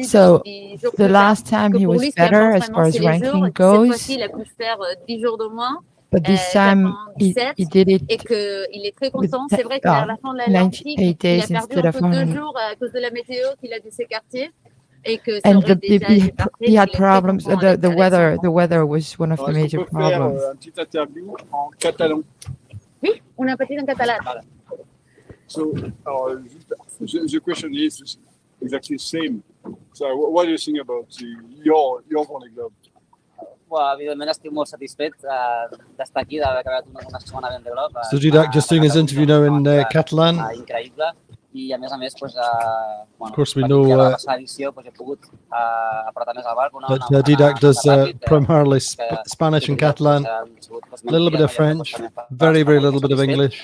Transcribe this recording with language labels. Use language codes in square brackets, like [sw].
[fr] dans [en] so, [fr] 10 jours. [en] The last time he was better as far as ranking [fr] jours, [en] goes. [fr] Cette fois-ci, il a pu faire 10 jours de moins. [en] But this time, 7, he did it. [fr] Et qu'il est très content. C'est vrai qu'à la fin de l'Atlantique, il a perdu un peu 2 jours à cause de la météo qu'il a dû s'écarter. [en] And he had problems. The weather was one of the major problems. [fr] Un petit interview en catalan. Oui, on a parlé en catalan. [en] So, the question is exactly the same. So, what do you think about your Vendée Globe? [ca] Well, evidentment, estic molt satisfet d'estar aquí, d'haver acabat una segona Vendée Globe. [en] So, Didac just doing his interview now in catalan. [ca] Increïble. I a més, pues, [en] of course, we know that Didac does primarily Spanish and Catalan, a little bit of French, very, very little bit of English.